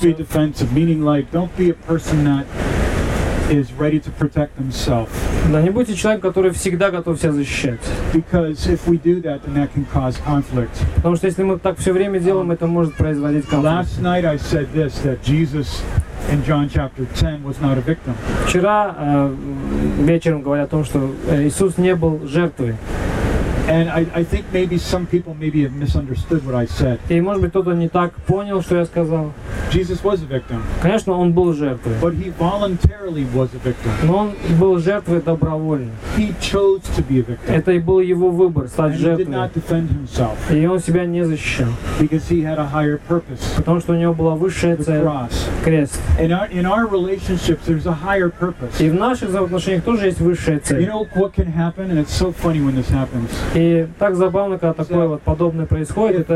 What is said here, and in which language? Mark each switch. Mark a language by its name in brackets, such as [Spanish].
[English] be defensive, meaning like don't be a person that is ready to protect themselves. [Russian] Да не будьте человеком, который всегда готов себя защищать. [English] Because if we do that, then that can cause conflict. [Russian] Потому что если мы так все время делаем, это может производить конфликт. [English] Last night I said this, that Jesus in John chapter 10 was not a victim. [Russian] Вчера вечером говорили о том, что Иисус не был жертвой. [English] And I think maybe some people maybe have misunderstood what I said. [Russian] И может быть кто-то не так понял, что я сказал. [English] Jesus was a victim. [Russian] Конечно, он был жертвой. [English] But he voluntarily was a victim. [Russian] Но он был жертвой добровольно. [English] He chose to be a victim. [Russian] Это и был его выбор стать жертвой. [English] And he did not defend himself. [Russian] И он себя не защищал. [English] Because he had a higher purpose. [Russian] Потому что у него была высшая цель. [English] The cross. [Russian] Крест. [English] In our relationships there's a higher purpose. [Russian] И в наших взаимоотношениях тоже есть высшая цель. [English] You know what can happen, and it's so funny when this happens. [Russian] И так забавно, когда такое вот подобное происходит, это